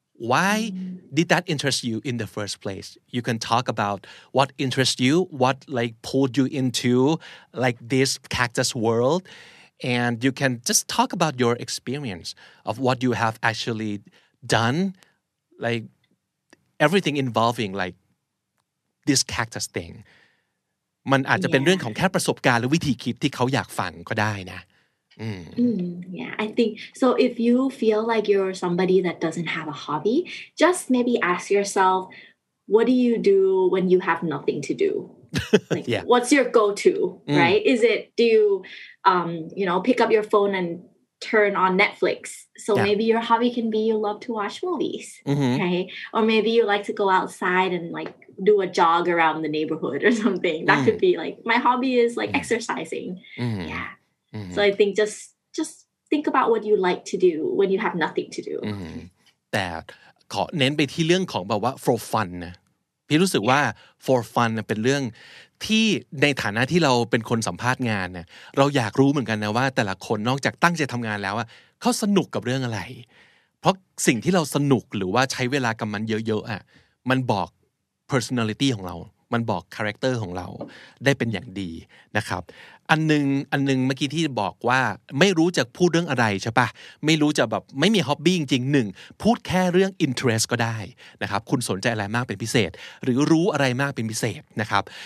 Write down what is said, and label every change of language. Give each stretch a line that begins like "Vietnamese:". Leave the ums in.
English: why did that interest you in the first place you can talk about what interests you what like pulled you into like this cactus world and you can just talk about your experience of what you have actually done like everything involving like this cactus thing
Thai: มันอาจจะเป็น Yeah. เรื่องของแค่ประสบการณ์หรือวิธีคิดที่เขาอยากฟังก็ได้นะ อืม
English: Mm, yeah, I think so. If you feel like you're somebody that doesn't have a hobby, just maybe ask yourself, what do you do when you have nothing to do? Like, Yeah. What's your go-to? Mm. Right? Is it do you, um, you know, pick up your phone and turn on Netflix? So Yeah. maybe your hobby can be you love to watch movies, อือฮึ okay? Or maybe you like to go outside and like do a jog around the neighborhood or something. That Mm. could be like my hobby is like Mm. exercising. อืม Yeah. อืม So I think just just think about what you like to do when you have nothing to do.
Thai: อืมแต่ขอเน้นไปที่เรื่องของแบบว่า
English: for fun
Thai: นะพี่รู้สึกว่า for fun น่ะเป็นเรื่องที่ในฐานะที่เราเป็นคนสัมภาษณ์งานนะเราอยากรู้เหมือนกันนะว่า แต่ละคนนอกจากตั้งใจทำงานแล้วอะเขาสนุกกับเรื่องอะไร เพราะสิ่งที่เราสนุกหรือว่าใช้เวลากับมันเยอะๆอ่ะมันบอก personality ของเรา มันบอก character ของเราได้เป็นอย่างดีนะครับ อันหนึงอันหนึงเมื่อกี้ที่บอกว่าไม่รู้จะพูดเรื่องอะไรใช่ปะไม่รู้จะแบบไม่มีฮ็อบบี้จริงๆหนึ่งพูดแค่เรื่อง interest ก็ได้นะครับคุณสนใจอะไรมากเป็นพิเศษ หรือรู้อะไรมากเป็นพิเศษนะครับ